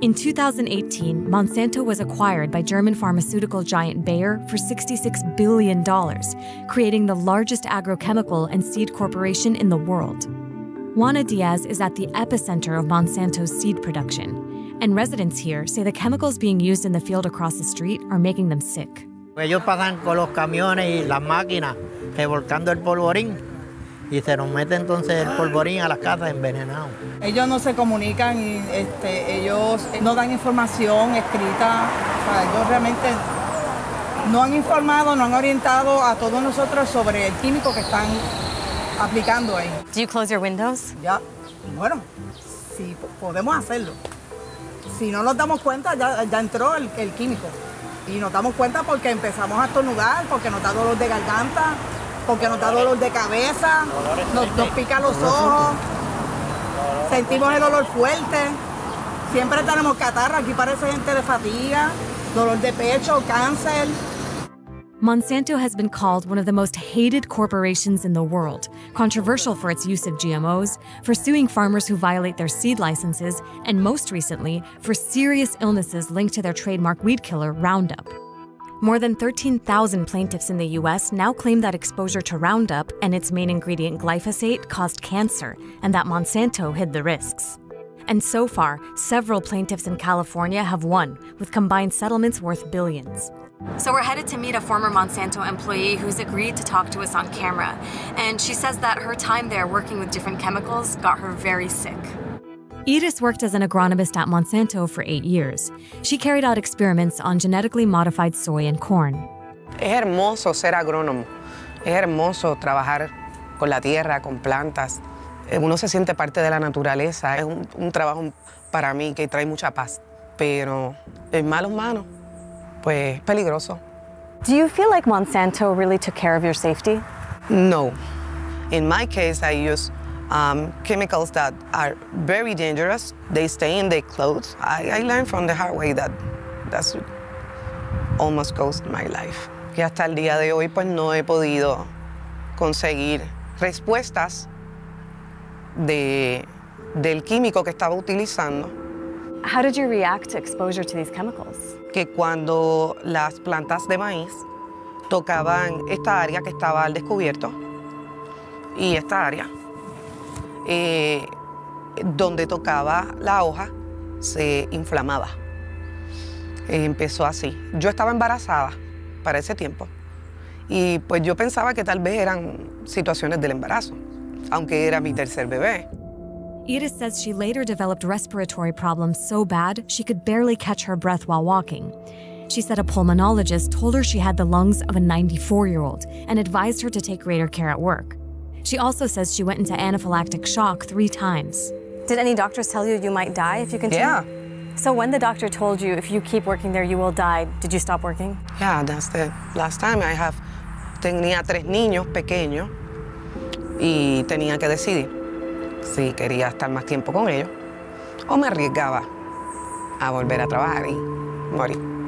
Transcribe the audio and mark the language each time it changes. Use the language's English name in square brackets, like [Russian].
[English] In 2018, Monsanto was acquired by German pharmaceutical giant Bayer for $66 billion, creating the largest agrochemical and seed corporation in the world. Juana Díaz is at the epicenter of Monsanto's seed production, and residents here say the chemicals being used in the field across the street are making them sick. [Spanish] Ellos pagan con los camiones y las máquinas revolcando el polvorín. Y se nos mete entonces el polvorín a la casa envenenado. Ellos no se comunican y ellos no dan información escrita. O sea, ellos realmente no han informado, no han orientado a todos nosotros sobre el químico que están aplicando ahí. [English] Do you close your windows? [Spanish] Ya. Bueno, sí, podemos hacerlo. Si no nos damos cuenta, ya entró el químico. Y nos damos cuenta porque empezamos a estornudar, porque nos da dolor de garganta. Porque nos da dolor de cabeza, nos pica los ojos, sentimos el dolor fuerte. Siempre tenemos catarro, aquí parece gente de fatiga, dolor de pecho, cáncer. [English] Monsanto has been called one of the most hated corporations in the world, controversial for its use of GMOs, for suing farmers who violate their seed licenses, and most recently, for serious illnesses linked to their trademark weed killer, Roundup. More than 13,000 plaintiffs in the U.S. now claim that exposure to Roundup and its main ingredient glyphosate caused cancer and that Monsanto hid the risks. And so far, several plaintiffs in California have won, with combined settlements worth billions. So we're headed to meet a former Monsanto employee who's agreed to talk to us on camera. And she says that her time there working with different chemicals got her very sick. Edis worked as an agronomist at Monsanto for 8 years. She carried out experiments on genetically modified soy and corn. [Spanish] Es hermoso ser agrónomo. Es hermoso trabajar con la tierra, con plantas. Uno se siente parte de la naturaleza. Es un trabajo para mí que trae mucha paz. Pero en malas manos, pues peligroso. [English] Do you feel like Monsanto really took care of your safety? [Spanish] No. [English] In my case, I use chemicals that are very dangerous. They stay in their clothes. I learned from the hard way that that's almost cost my life. [Spanish] Que hasta el día de hoy, pues no he podido conseguir respuestas del químico que estaba utilizando. [English] How did you react to exposure to these chemicals? [Spanish] Que cuando las plantas de maíz tocaban esta área que estaba al descubierto y esta área. Donde tocaba la hoja se inflamaba. Empezó así. Yo estaba embarazada para ese tiempo. Y pues yo pensaba que tal vez eran situaciones del embarazo, aunque era mi tercer bebé. [English] Edith says she later developed respiratory problems so bad she could barely catch her breath while walking. She said a pulmonologist told her she had the lungs of a 94-year-old and advised her to take greater care at work. She also says she went into anaphylactic shock 3 times. Did any doctors tell you you might die if you continue? Yeah. So when the doctor told you if you keep working there, you will die, did you stop working? Yeah, that's the last time I have. [Spanish] Tenía 3 niños pequeños y tenía que decidir si quería estar más tiempo con ellos o me arriesgaba a volver a trabajar y morir.